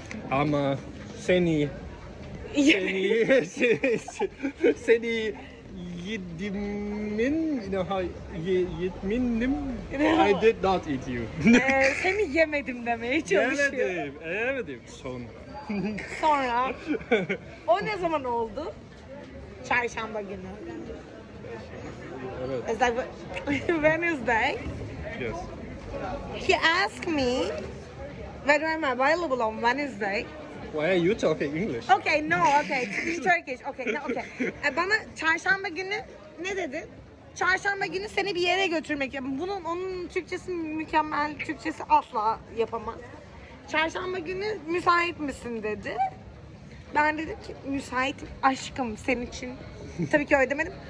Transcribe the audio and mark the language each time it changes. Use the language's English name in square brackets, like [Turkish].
[Turkish] Ama seni yedimin, [English] no, yedimin, I did not eat you. [Turkish] seni yemedim demeye çalışıyorum. Yemedim. Sonra. O ne zaman oldu? Çarşamba günü. Evet. [English] Wednesday. Yes. He asked me, when am I available on Wednesday? Why are you talking English? Okay, no, okay. Turkish, okay, no, okay. [Turkish] Bana çarşamba günü ne dedin? Çarşamba günü seni bir yere götürmek. Bunun onun Türkçesi mükemmel, Türkçesi asla yapamaz. Çarşamba günü müsait misin dedi. Ben dedim ki müsait aşkım senin için. Tabii ki öyle demedim.